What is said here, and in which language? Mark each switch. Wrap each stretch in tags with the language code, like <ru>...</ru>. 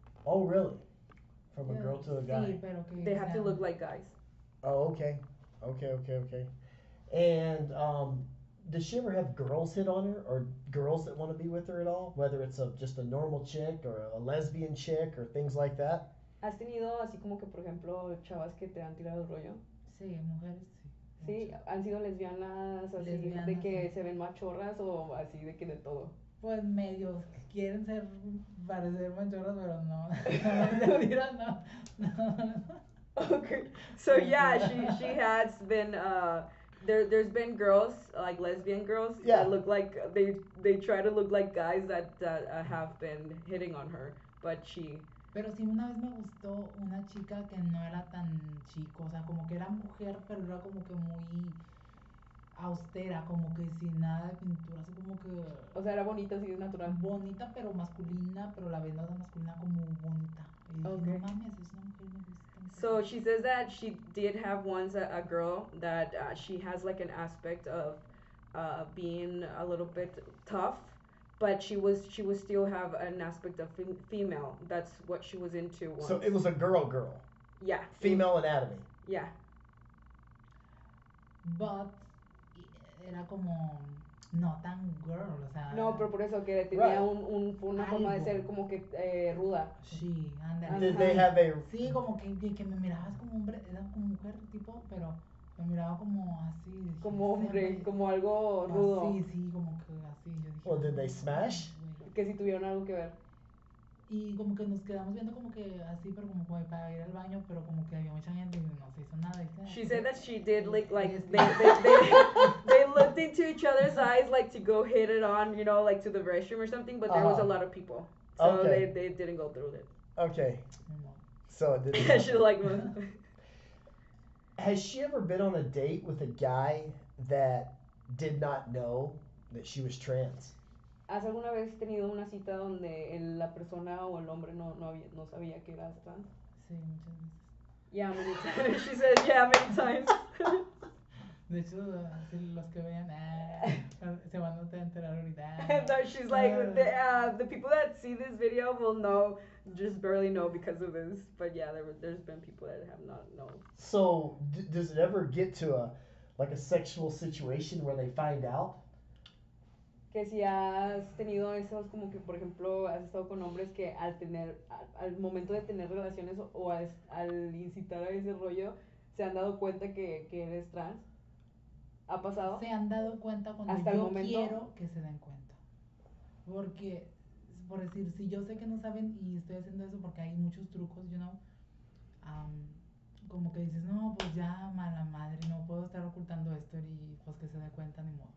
<en>Oh, really? From yeah. a girl to a guy.</en> <es>Sí, pero que</es> <en>they have to look like guys. Oh, okay. Okay. And does she ever have girls hit on her, or girls that want to be with her at all? Whether it's just a normal chick, or a lesbian chick, or things like that?</en> <es>¿Has tenido así como que, por ejemplo, chavas que te han tirado el rollo? Sí, mujeres, sí. ¿Sí? ¿Han sido lesbianas, así, lesbianas, de que sí. se ven machorras o así, de que de todo? Pues medio, quieren ser, parecer machorras, pero no. No, no.</es> <en>Okay, so yeah, she has been, there's been girls, like lesbian girls, yeah. that look like, they try to look like guys that have been hitting on her, but she...</en> <es>Pero sí, una vez me gustó una chica que no era tan chico, o sea, como que era mujer, pero era como que muy austera, como que sin nada de pintura, así como que... O sea, era bonita, sí, es natural. Bonita, pero masculina, pero la vez no era masculina, como bonita. Y dije,</es> <en>okay.</en> <es>No mames, es una mujer.</es> <en>So she says that she did have once a girl that she has like an aspect of being a little bit tough, but she would still have an aspect of female. That's what she was into once. So it was a girl. Yeah. Female anatomy. Yeah.</en> <es>But era como no tan girl, o sea. No, pero por eso que tenía right. una algo. Forma de ser como que ruda. Sí, anda.</es> <en>Did they have a?</en> <es>Sí, como que me mirabas como hombre, era como mujer tipo, pero me miraba como así. Como hombre, sea, como algo rudo. Sí, sí, como que así. Yo dije,</es> <en>or did they smash?</en> <es>Que si tuvieron algo que ver. Y como que nos quedamos viendo como que así, pero como que para ir al baño, pero como que había mucha gente y no se hizo nada.</es> <en>She said that she did like they looked into each other's eyes like to go hit it on, you know, like to the restroom or something, but there was a lot of people. So okay. they didn't go through it. Okay. So it didn't happen. She's like, well. Has she ever been on a date with a guy that did not know that she was trans?</en> <es>¿Has alguna vez tenido una cita donde la persona o el hombre no sabía que eras trans? Sí, muchas veces.</es> <en>Yeah, many times. She said, yeah, many times.</en> <es>De hecho, si los que vean, se van a enterar ahorita.</es> <en>No, she's like, the people that see this video will know, just barely know because of this. But yeah, there's been people that have not known. So, does it ever get to a, like a sexual situation where they find out?</en> <es>Que si has tenido esos, como que, por ejemplo, has estado con hombres que al tener, al momento de tener relaciones o al incitar a ese rollo, se han dado cuenta que eres trans. ¿Ha pasado? Se han dado cuenta cuando hasta yo el momento. Quiero que se den cuenta. Porque, por decir, si yo sé que no saben y estoy haciendo eso porque hay muchos trucos,</es> <en>you know,</en> <es>como que dices, no, pues ya, mala madre, no puedo estar ocultando esto y pues que se dé cuenta, ni modo.</es>